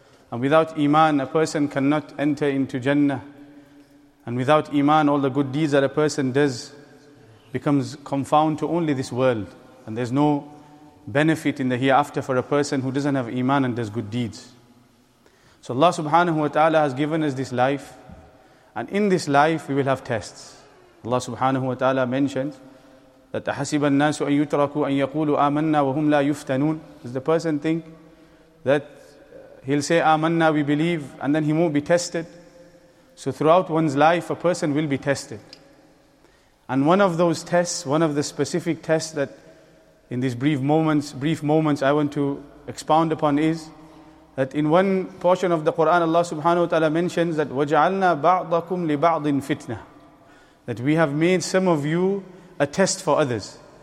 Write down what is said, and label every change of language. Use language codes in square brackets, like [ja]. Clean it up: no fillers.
[en] And without iman, a person cannot enter into Jannah. And without iman, all the good deeds that a person does becomes confound to only this world. And there's no benefit in the hereafter for a person who doesn't have iman and does good deeds. So Allah subhanahu wa ta'ala has given us this life. And in this life, we will have tests. Allah subhanahu wa ta'ala mentions that [ar] أَحَسِبَ النَّاسُ أَن يُتْرَكُوا أَن يَقُولُوا آمَنَّا وَهُمْ لَا يُفْتَنُونَ. [en] Does the person think that he'll say amanna, we believe, and then he won't be tested? So throughout one's life, a person will be tested. And one of those tests, one of the specific tests that in these brief moments I want to expound upon is that in one portion of the Quran, Allah subhanahu wa ta'ala mentions that [ar] وَجَعَلْنَا بَعْضَكُمْ لِبَعْضٍ فِتْنَةً, [en] that we have made some of you a test for others.